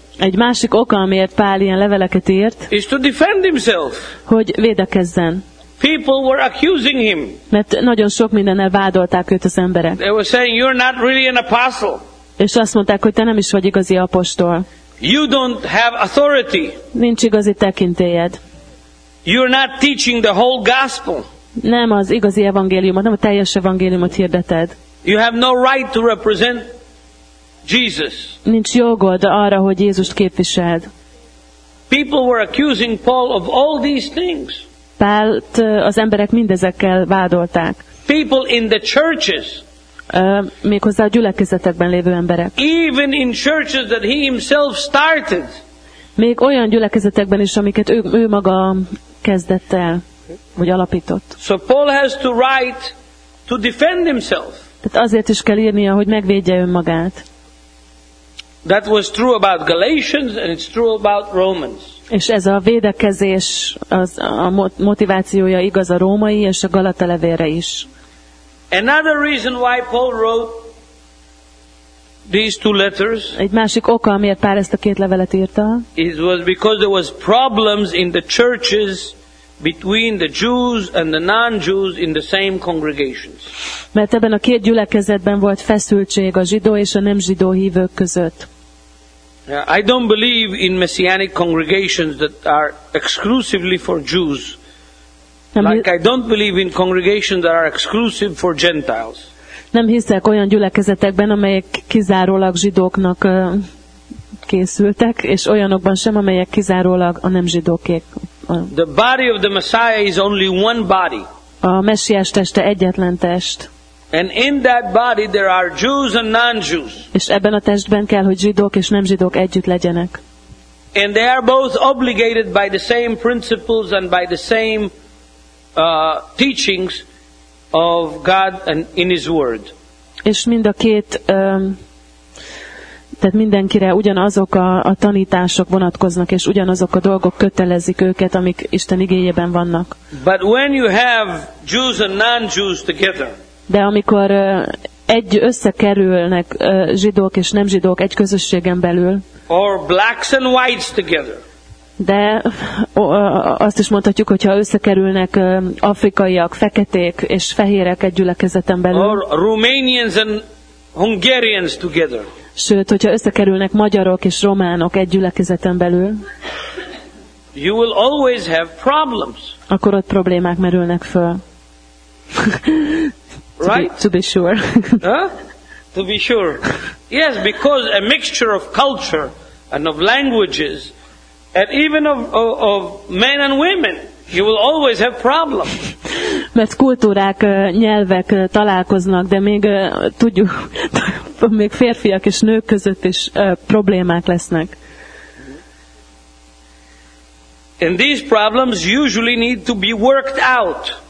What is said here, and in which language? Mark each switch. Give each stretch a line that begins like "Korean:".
Hungarian: Egy másik oka, amiért Pál ilyen leveleket írt.
English: Is to defend himself.
Hungarian: Hogy védekezzen.
English: People were accusing him.
Hungarian: Mert nagyon sok mindennel vádolták őt az emberek.
English: They were saying you're not really an apostle.
Hungarian: És azt mondták, hogy te nem is vagy igazi apostol.
English: You don't have authority.
Hungarian: Nincs igazi tekintélyed.
English: You're not teaching the whole gospel.
Hungarian: Nem az igazi evangéliumot, nem a teljes evangéliumot hirdeted.
English: You have no right to represent Jesus.
Hungarian: Nincs jogod arra, hogy Jézust képviseld.
English: People were accusing Paul of all these things.
Hungarian: Pált az emberek mindezekkel vádolták.
English: People in the churches.
Hungarian: Méghozzá a gyülekezetekben lévő emberek.
English: Even in churches that he himself started.
Hungarian: Még olyan gyülekezetekben is, amiket ő maga kezdett el, vagy alapított.
English: So Paul has to write to defend himself.
Hungarian: Tehát azért is kell írnia, hogy megvédje önmagát.
English: That was true about Galatians and it's true about Romans.
Hungarian: És ez a védekezés, az a motivációja igaz a római és a Galata levélre is.
English: Another reason why Paul wrote these two letters.
Hungarian: Egy másik oka, amiért Pál ezt a két levelet írta.
English: It was because there was problems in the churches between the Jews and the non-Jews in the same congregations.
Hungarian: Mert ebben a két gyülekezetben volt feszültség a zsidó és a nem zsidó hívők között.
English: I don't believe in messianic congregations that are exclusively for Jews. Like I don't believe in congregations that are exclusive for Gentiles.
Hungarian: Nem hiszek olyan gyülekezetekben, amelyek kizárólag zsidóknak készültek, és olyanokban sem, amelyek kizárólag a nem zsidókék.
English: The body of the Messiah is only one body.
Hungarian: A Messiás teste egyetlen test.
English: And in that body there are Jews and non-Jews.
Hungarian: És ebben a testben kell, hogy zsidók és nem zsidók együtt legyenek.
English: And they are both obligated by the same principles and by the same teachings of God and in His Word.
Hungarian: És mind a két, tehát mindenkire ugyanazok a tanítások vonatkoznak, és ugyanazok a dolgok kötelezik őket, amik Isten igényében vannak.
English: But when you have Jews and non-Jews together,
Hungarian: de amikor egy összekerülnek zsidók és nem zsidók egy közösségen belül,
English: or blacks and whites together,
Hungarian: de azt is mondhatjuk, hogyha összekerülnek afrikaiak, feketék és fehérek egy gyülekezeten belül,
English: or Romanians and Hungarians together,
Hungarian: sőt, hogyha összekerülnek magyarok és románok egy gyülekezeten belül,
English: you will always have problems.
Hungarian: Akkor ott problémák merülnek föl.
English: Right? To be sure. To be sure. Yes, because a mixture of culture and of languages and even of men and women, you will always have problems.
Hungarian: Mert kultúrák, nyelvek találkoznak, de még tudjuk, még férfiak és nők között is problémák lesznek.
English: And these problems usually need to be worked out.